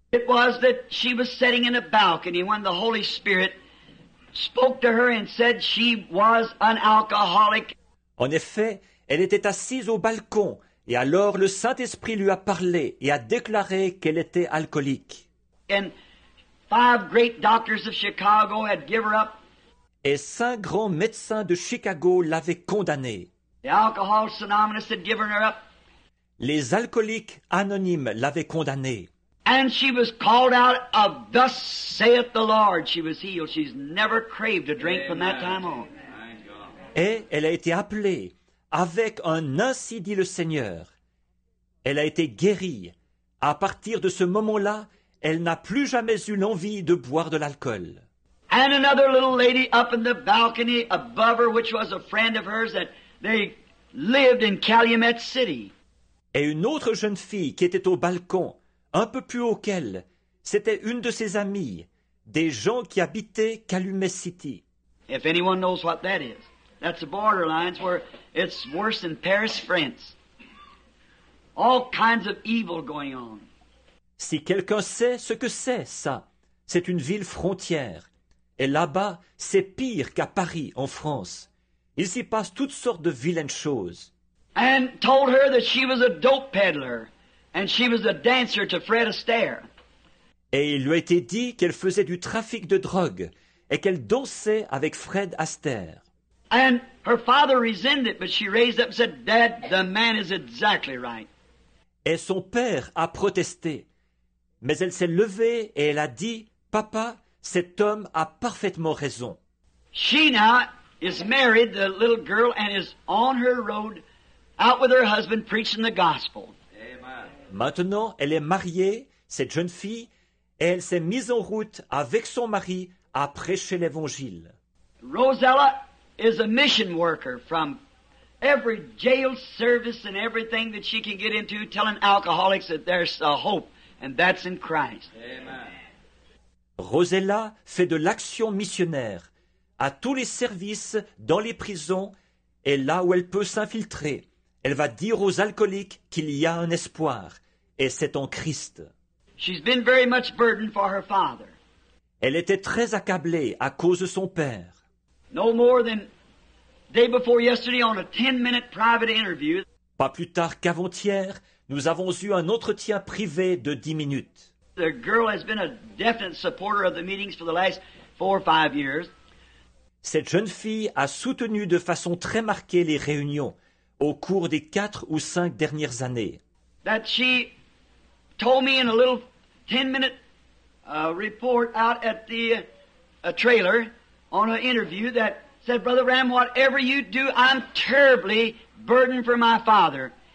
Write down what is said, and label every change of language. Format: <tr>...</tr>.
<en>it was that she was sitting in a balcony when the Holy Spirit spoke to her and said she was an alcoholic.</en> <fr>En effet, elle était assise au balcon et alors le Saint-Esprit lui a parlé et a déclaré qu'elle était alcoolique.</fr> <en>And five great doctors of Chicago had given up.</en> <fr>Et cinq grands médecins de Chicago l'avaient condamnée.</fr> <en>The Alcohol Anonymous had given her up.</en> <fr>Les alcooliques anonymes l'avaient condamnée.</fr> <en>And she was called out of thus saith the Lord. She was healed. She's never craved a drink. Amen. From that time on.</en> <fr>Et elle a été appelée avec un ainsi dit le Seigneur. Elle a été guérie. À partir de ce moment-là, elle n'a plus jamais eu l'envie de boire de l'alcool.</fr> <en>And another little lady up in the balcony above her, which was a friend of hers, that they lived in Calumet City.</en> <fr>Et une autre jeune fille qui était au balcon, un peu plus haut qu'elle, c'était une de ses amies, des gens qui habitaient Calumet City.</fr> <en>If anyone knows what that is, that's the borderlines where it's worse than Paris, France. All kinds of evil going on.</en> <fr>Si quelqu'un sait ce que c'est, ça, c'est une ville frontière. Et là-bas, c'est pire qu'à Paris, en France. Il s'y passe toutes sortes de vilaines choses.</fr> <en>And told her that she was a dope peddler, and she was a dancer to Fred Astaire.</en> <fr>Et il lui a été dit qu'elle faisait du trafic de drogue et qu'elle dansait avec Fred Astaire.</fr> <en>And her father resented it, but she raised up and said, "Dad, the man is exactly right."</en> <fr>Et son père a protesté, mais elle s'est levée et elle a dit, "Papa, cet homme a parfaitement raison."</fr> <en>She now is married, the little girl, and is on her road out with her husband preaching the gospel. Amen.</en> <fr>Maintenant, elle est mariée, cette jeune fille, et elle s'est mise en route avec son mari à prêcher l'évangile.</fr> <en>Rosella is a mission worker from every jail service and everything that she can get into, telling alcoholics that there's a hope, and that's in Christ. Amen.</en> <fr>Rosella fait de l'action missionnaire à tous les services dans les prisons et là où elle peut s'infiltrer. Elle va dire aux alcooliques qu'il y a un espoir et c'est en Christ.</fr> <en>She's been very much burdened for her father.</en> <fr>Elle était très accablée à cause de son père.</fr> <en>No more than day before yesterday on a 10-minute private interview.</en> <fr>Pas plus tard qu'avant-hier, nous avons eu un entretien privé de 10 minutes.</fr> <en>The girl has been a definite supporter of the meetings for the last 4 or 5 years.</en> <fr>Cette jeune fille a soutenu de façon très marquée les réunions au cours des 4 ou 5 dernières années.</fr> <en>That she told me in a little 10-minute report out at the trailer on an interview that said, "Brother Ram, whatever you do, I'm terribly burdened for my father."</en>